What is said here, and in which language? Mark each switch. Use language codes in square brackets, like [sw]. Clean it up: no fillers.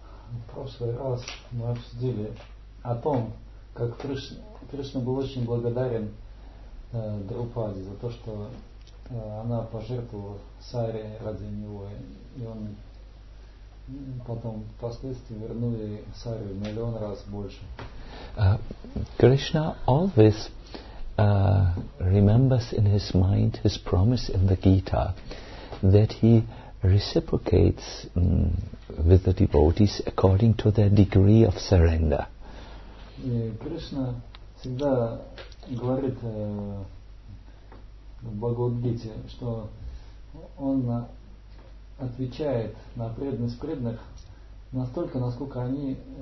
[ru] В прошлый раз мы обсудили о том, как Кришна был очень благодарен Драупаде за то, что она пожертвовала сари ради него, и он потом впоследствии вернул ей сари в миллион раз больше. [en] Кришна always remembers in his mind his promise in the Gita that he reciprocates with the devotees according to their degree of surrender. [ru] Krishna всегда говорит в Бхагавад-гите, что он отвечает на преданность преданных настолько, насколько они